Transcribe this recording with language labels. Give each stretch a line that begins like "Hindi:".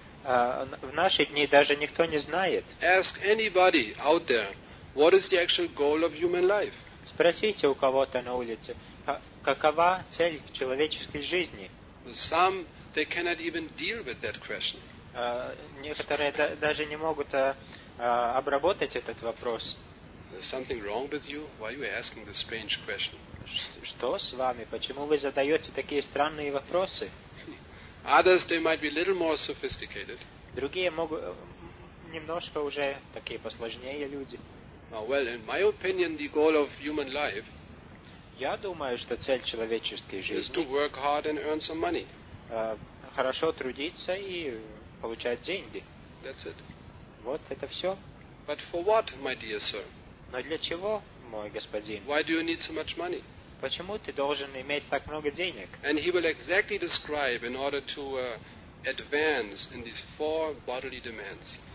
Russian: В наши дни даже никто не знает.
English: Ask anybody out there, what is the actual goal of human life?
Russian: Спросите у кого-то на улице, какова цель человеческой жизни?
English: Some, they cannot even deal with that question.
Russian: Некоторые даже не могут обработать этот вопрос.
English: There's something wrong with you? Why are you asking this strange question?
Russian: Что с вами? Почему вы задаете такие странные вопросы?
English: Others, they might be a little more sophisticated.
Russian: Другие могут немножко уже такие посложнее люди.
English: Well, in my opinion, the goal of human life.
Russian: Я думаю, что цель человеческой жизни.
English: Is to work hard and earn some money.
Russian: Хорошо трудиться и получать деньги.
English: That's it.
Russian: Вот это все.
English: But for what, my dear sir?
Russian: Но для чего, мой господин?
English: Why do you need so much money?
Russian: Почему ты должен иметь так много денег?
English: And he will exactly describe in order to advance in these four bodily demands.